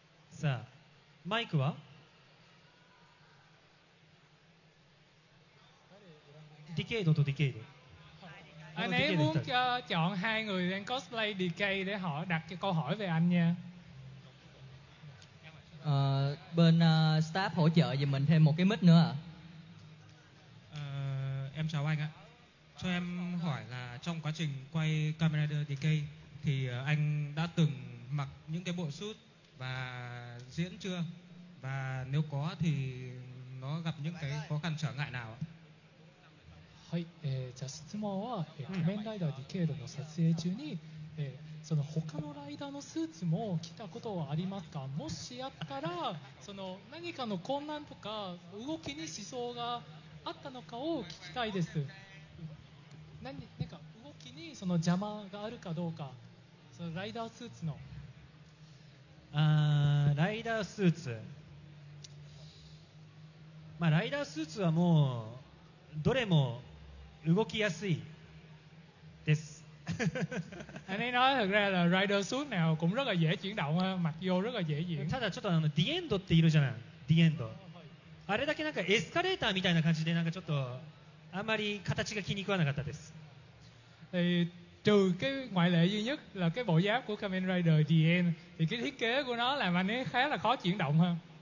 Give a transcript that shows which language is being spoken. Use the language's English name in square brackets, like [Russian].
[Japanese] さあ、マイクは ディケイドとディケイド。 [Vietnamese] Anh ấy muốn chọn hai người đang cosplay DK để họ đặt cho câu hỏi về anh nha. Bên staff hỗ trợ giùm mình thêm một cái mic nữa ạ. Em chào anh ạ. Cho em hỏi là trong quá trình quay Kamen Rider DK thì anh đã từng mặc những cái bộ suit và diễn chưa? Và nếu có thì nó gặp những cái khó khăn trở ngại nào? [Japanese] はい、じゃあ質問は、仮面ライダーディケイドの撮影中に、その他のライダーのスーツも着たことはありますか？もしやったら、その何かの困難とか動きに支障があったのかを聞きたいです。何か動きにその邪魔があるかどうか、そのライダースーツの。ライダースーツ、まあ、ライダースーツはもうどれも動きやすいです。 [Vietnamese] Anh ấy nói thực ra là rider suit nào cũng rất là dễ chuyển động, mặc vô rất là dễ diễn. [Japanese] ただちょっとあのディエンドっているじゃない、ディエンド。あれだけなんかエスカレーターみたいな感じでなんかちょっとあんまり形が気に食わなかったです。 [Vietnamese] Trừ cái ngoại lệ duy nhất là cái bộ giáp của Kamen Rider DN thì cái thiết kế của nó làm anh ấy khá là khó chuyển động hơn.